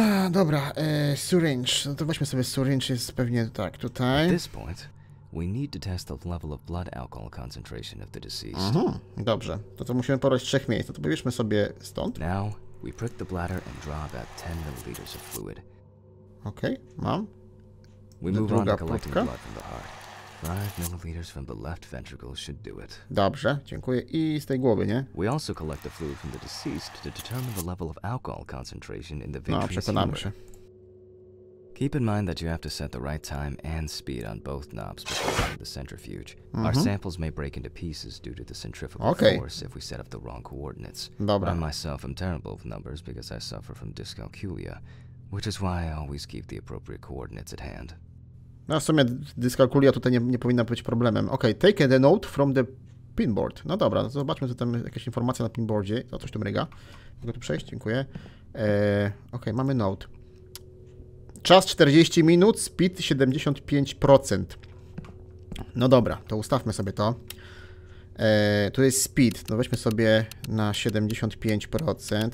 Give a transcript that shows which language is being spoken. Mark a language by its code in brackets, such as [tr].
[pl] Dobra, syringe. No to weźmy sobie syringe, jest pewnie tak, tutaj. [en] At this point, we need to test the level of blood alcohol concentration of the deceased. [pl] Mhm, dobrze. To musimy porać trzech miejsc. No to powiedzmy sobie stąd. [en] Now, we prick the bladder and draw about 10 milliliters of fluid. [pl] Okej, okay, mam. [en] We move on to collecting blood from the heart. 5 milliliters from the left ventricle should do it. [pl] Dobrze, dziękuję. I z tej głowy, nie? [en] We also collect the fluid from the deceased to determine the level of alcohol concentration in the vitreous. [pl] No, przekonamy się. [en] Keep in mind that you have to set the right time and speed on both knobs before running the centrifuge. Mm-hmm. Our samples may break into pieces due to the centrifugal okay. force if we set up the wrong coordinates. [pl] Dobra. [en] I myself am terrible with numbers because I suffer from dyscalculia, which is why I always keep the appropriate coordinates at hand. [pl] No w sumie dyskalkulia tutaj nie powinna być problemem. [en] Okej, okay, take a note from the pinboard. [pl] No dobra, no zobaczmy, co tam jakaś informacja na pinboardzie. O, coś tu mryga. Mogę tu przejść, dziękuję. Okej, okay, mamy note. Czas 40 minut, speed 75%. No dobra, to ustawmy sobie to. Tu jest speed, no weźmy sobie na 75%.